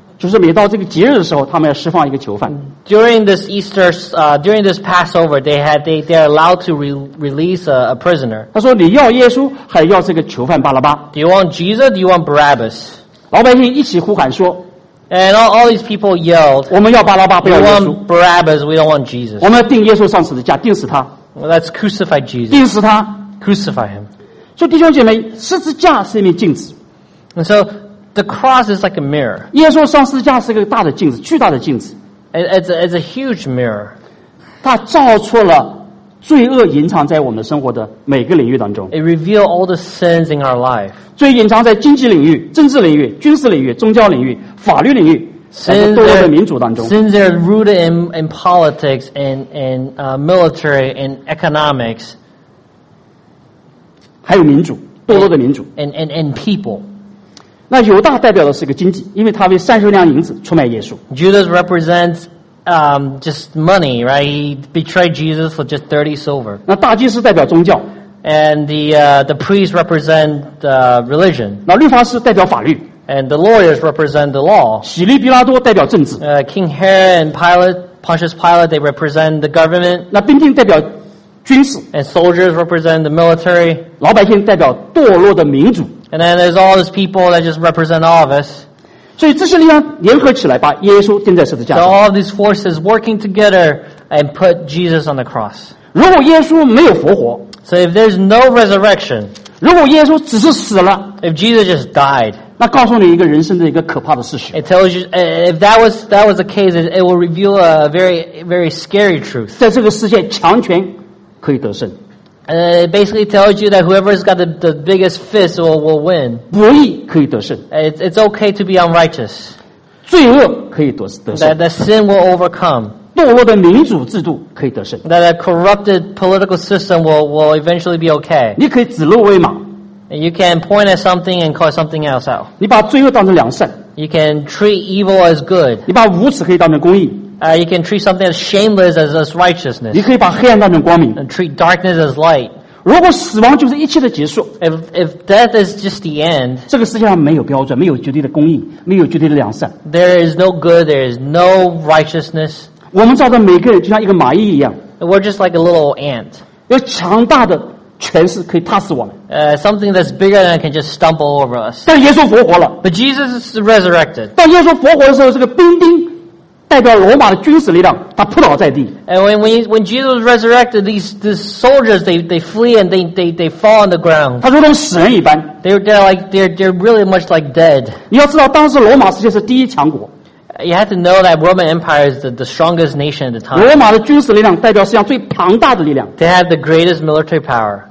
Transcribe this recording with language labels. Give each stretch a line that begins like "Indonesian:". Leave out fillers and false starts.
Chinese: 就是每到这个节日的时候，他们要释放一个囚犯。
English: During this Easter, during this Passover, they are allowed to release a prisoner.
Chinese: 他说：“你要耶稣，还要这个囚犯巴拉巴
English: ？”Do you want Jesus? Do you want Barabbas?
Chinese: 老百姓一起呼喊说
English: ：“And all these people yelled,
Chinese: 我们要巴拉巴，不要耶稣。
English: We want Barabbas, we don't want Jesus.
Chinese: 我们要钉耶稣上十字架，钉死他。
English: Well, let's crucify Jesus.
Chinese: 钉死他
English: ，crucify him.
Chinese: 说弟兄姐妹，十字架是一面镜子
English: ，and so. The cross is like a mirror.
Chinese: 耶稣上十字架是个大的镜子，巨大的镜子。
English: It's a huge mirror.
Chinese: 它照出了罪恶隐藏在我们生活的每个领域当中。
English: It reveals all the sins in our life.
Chinese: 罪隐藏在经济领域、政治领域、军事领域、宗教领域、法律领域，甚至堕落的民主当中。
English: Sins are rooted in politics, in military, in economics.
Chinese: 还有民主，堕落的民主。
English: And people.
Chinese: 那犹大代表的是个经济，因为他为30两银子出卖耶稣。
English: Judas represents just money, right? He betrayed Jesus for just 30 silver.
Chinese: 那大祭司代表宗教。
English: And the priests represent religion.
Chinese: 那律法师代表法律。
English: And the lawyers represent the law.
Chinese: 洗利比拉多代表政治。
English: King Herod and Pontius Pilate, they represent the government.
Chinese: 那兵丁代表军事。
English: And soldiers represent the military.
Chinese: 老百姓代表堕落的民主。
English: And then there's all these people that just represent all of us.
Chinese: 所以这些力量联合起来，把耶稣钉在十字架上。
English: So all these forces working together and put Jesus on the cross.
Chinese: 如果耶稣没有复活
English: ，So if there's no resurrection,
Chinese: 如果耶稣只是死了
English: ，If Jesus just died,
Chinese: 那告诉你一个人生的一个可怕的事实。
English: It tells you if that was the case, it will reveal a very very scary truth.
Chinese: 在这个世界，强权可以得胜。
English: It basically tells you that whoever's got the biggest fist will win.
Chinese: 不义可以得胜。
English: It's okay to be unrighteous.
Chinese: 罪恶可以得胜。
English: That sin will overcome.
Chinese: 堕落的民主制度可以得胜。
English: That a corrupted political system will eventually be okay.
Chinese: 你可以指鹿为马。
English: You can point at something and call something else out.
Chinese: 你把罪恶当成良善。
English: You can treat evil as good.
Chinese: 你把无耻可以当成公义。
English: You can treat something as shameless as righteousness.
Chinese: 你可以把黑暗当成光明。
English: And treat darkness as light.
Chinese: 如果死亡就是一切的结束
English: ，if death is just the end，
Chinese: 这个世界上没有标准，没有绝对的公义，没有绝对的良善。
English: There is no good. There is no righteousness.
Chinese: 我们照着每个人就像一个蚂蚁一样。
English: We're just like a little ant.
Chinese: 有强大的权势可以踏死我们。
English: Something that's bigger than can just stumble over us.
Chinese: 但耶稣复活了。
English: But Jesus is resurrected.
Chinese: 当耶稣复活的时候，这个兵丁。代表罗马的军事力量，他扑倒在地。
English: And when Jesus resurrected these soldiers, they flee and they fall on the ground.
Chinese: 他如同死人一般。
English: They're really much like dead.
Chinese: 你要知道，当时罗马世界是第一强国。
English: You have to know that Roman Empire is the strongest nation at the time.
Chinese: 罗马的军事力量代表世界上最庞大的力量。
English: They have the greatest military power.